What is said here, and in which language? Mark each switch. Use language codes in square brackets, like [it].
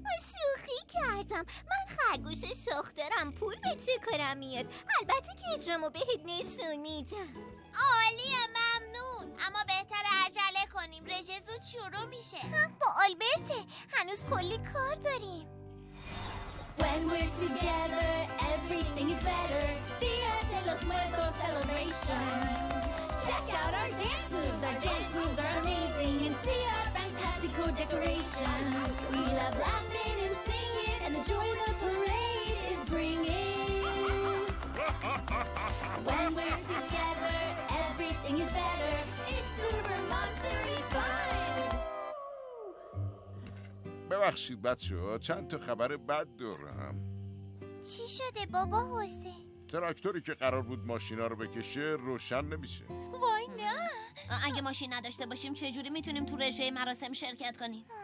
[fa] شوخی کردم، من خرگوش شاخ دارم، پول به چه کارم میاد؟ البته که اجرامو بهت نشون میدم. عالیه، ممنون. اما بهتر عجله کنیم، رژه زود شروع میشه. هم با آلبرته، هنوز کلی کار داریم. [en] When we're together everything is better. Dia de los Muertos celebration. Check out our dance moves. Our dance moves are amazing. And see our fantastic decorations. We love laughing and singing. And the joy the parade is bringing. When we're together everything is better. It's super monstery fun. [fa] ببخشید بچه‌ها، چند تا خبر بد دارم. چی شده بابا حسین؟ تراکتوری که قرار بود ماشینا رو بکشه روشن نمیشه. وای نه. اگه ماشین نداشته باشیم چه جوری میتونیم تو رژه مراسم شرکت کنیم؟